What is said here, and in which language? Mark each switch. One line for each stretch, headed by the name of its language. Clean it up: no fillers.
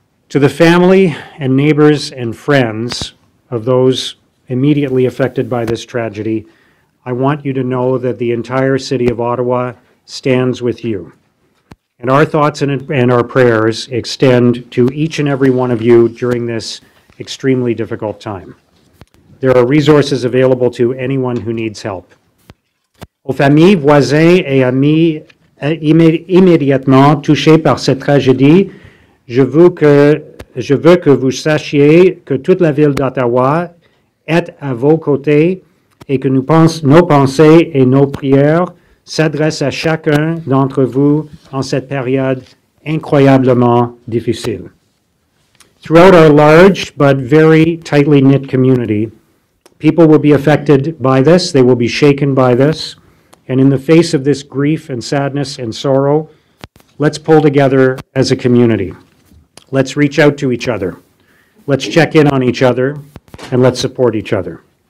English: To the family and neighbors and friends of those immediately affected by this tragedy, I want you to know that the entire city of Ottawa stands with you. And our thoughts and our prayers extend to each and every one of you during this extremely difficult time. There are resources available to anyone who needs help.
French: aux familles, voisins et amis immédiatement touchés par cette tragédie. Je veux que vous sachiez que toute la ville d'Ottawa est à vos côtés et que nos pensées et nos prières s'adressent à chacun d'entre vous en cette période incroyablement difficile.
English: Throughout our large but very tightly knit community, people will be affected by this, they will be shaken by this, and in the face of this grief and sadness and sorrow, let's pull together as a community. Let's reach out to each other. Let's check in on each other, and let's support each other.